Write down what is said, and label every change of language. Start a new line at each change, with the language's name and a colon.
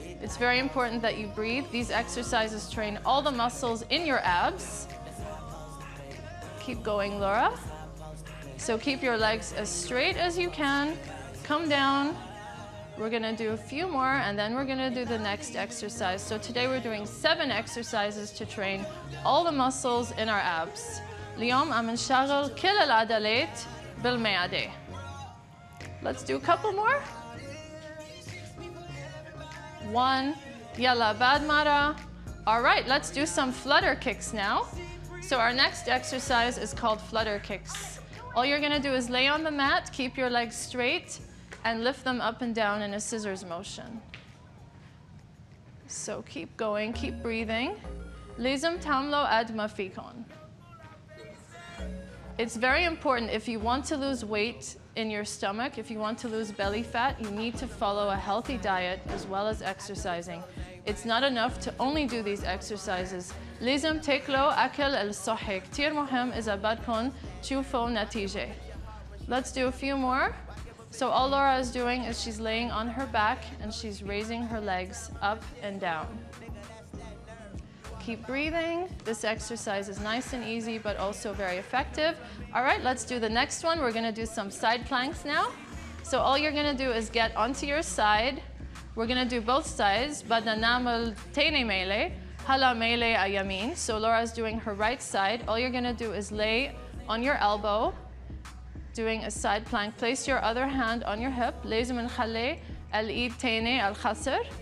English: It's very important that you breathe. These exercises train all the muscles in your abs. Keep going, Laura. So keep your legs as straight as you can. Come down. We're gonna do a few more and then we're gonna do the next exercise. So today we're doing 7 exercises to train all the muscles in our abs.
Arabic: اليوم عم نشغل كل العضلات بالمعدة.
English: Let's do a couple more.
Arabic: 1. يلا بعد مرة.
English: All right, let's do some flutter kicks now. So our next exercise is called flutter kicks. All you're gonna do is lay on the mat, keep your legs straight, and lift them up and down in a scissors motion. So keep going, keep breathing.
Arabic: لازم تعملوا قد ما فيكم.
English: It's very important if you want to lose weight in your stomach, if you want to lose belly fat, you need to follow a healthy diet as well as exercising. It's not enough to only do these exercises.
Arabic: لازم تاكلوا أكل الصحي. كتير مهم إذا بدكم تشوفوا نتيجة.
English: Let's do a few more. So all Laura is doing is she's laying on her back and she's raising her legs up and down. Keep breathing. This exercise is nice and easy, but also very effective. All right, let's do the next one. We're gonna do some side planks now. So all you're gonna do is get onto your side. We're gonna do both sides.
Arabic: بدنعمل تاني ميلة, هلا ميلة أيمين.
English: So Laura's doing her right side. All you're gonna do is lay on your elbow, doing a side plank. Place your other hand on your hip.
Arabic: لازم نخلي الإيد تاني الخصر.